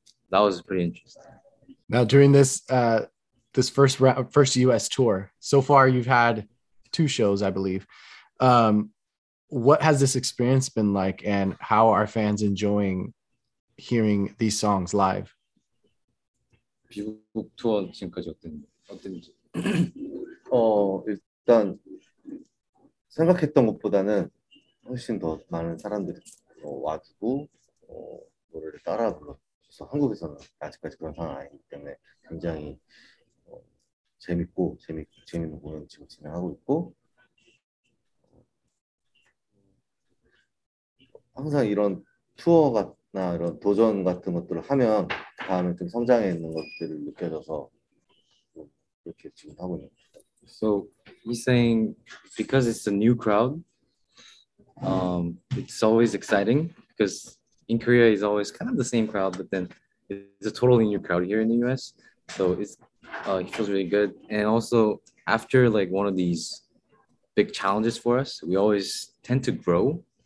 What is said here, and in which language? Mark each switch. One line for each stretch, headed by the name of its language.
English: That was pretty interesting. Now during this, this first US tour, so far you've had two shows, I believe. What has this experience been like and how are fans enjoying hearing these songs live?
Korean: 미국 투어 지금까지 어땠는지 일단 생각했던 것보다는 훨씬 더 많은 사람들이 와주고 노래를 따라 불러줘서 한국에서는 아직까지 그런 상황 아니기 때문에 굉장히 재밌는 공연 지금 진행하고 있고 항상 이런 투어가 나 이런 도전 같은 것들을 하면 다음에 좀 성장해 있는 것들을 느껴져서 이렇게 지금 하고 있는 거예요.
English: So he's saying because it's a new crowd, it's always exciting because in Korea is always kind of the same crowd, but then it's a totally new crowd here in the US. So it's he feels really good. And also after like one of these big challenges for us, we always tend to grow.